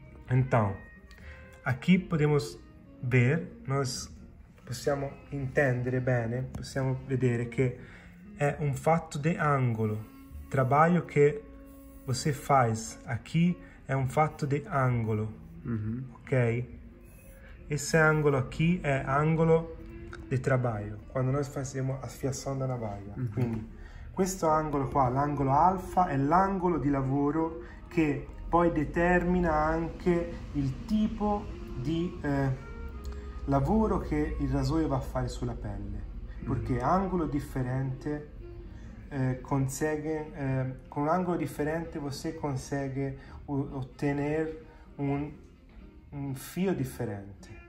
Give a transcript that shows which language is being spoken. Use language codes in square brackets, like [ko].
[pt] Então, aqui podemos ver, nós [it] possiamo intendere bene, possiamo vedere che è un fatto di angolo. Trabalho che [pt] você faz aqui [it] è un fatto di angolo. Mm-hmm. Ok? [pt] Esse ângulo aqui é ângulo de trabalho, quando nós fazemos a fiação da navalha. Uhum. [it] Questo ângulo qua, l'angolo alfa, è l'angolo di lavoro che poi determina anche il tipo di lavoro che il rasoio va a fare sulla pelle. Uhum. Perché angolo differente consegue, con un angolo differente [pt] você consegue [it] ottenere un fio differente.